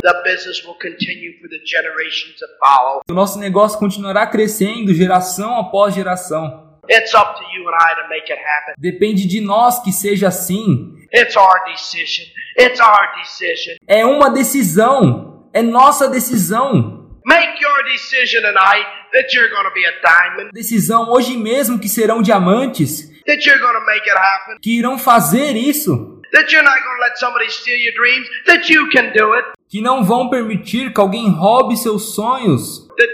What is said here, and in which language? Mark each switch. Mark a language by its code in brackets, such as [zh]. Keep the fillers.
[en] the business will continue for the generations follow. [pt] O nosso negócio continuará crescendo geração após geração. [en] It's up to you and I to make it happen. [pt] Depende de nós que seja assim. [en] It's our decision. It's our decision. [pt] É uma decisão. É nossa decisão. [en] Make your decision that you're gonna be a diamond. [pt] Decisão hoje mesmo que serão diamantes. [en] That you're gonna make it happen. [pt] Que irão fazer isso. [en] That you're not gonna let somebody steal your dreams. That you can do it [pt] que não vão permitir que alguém roube seus sonhos.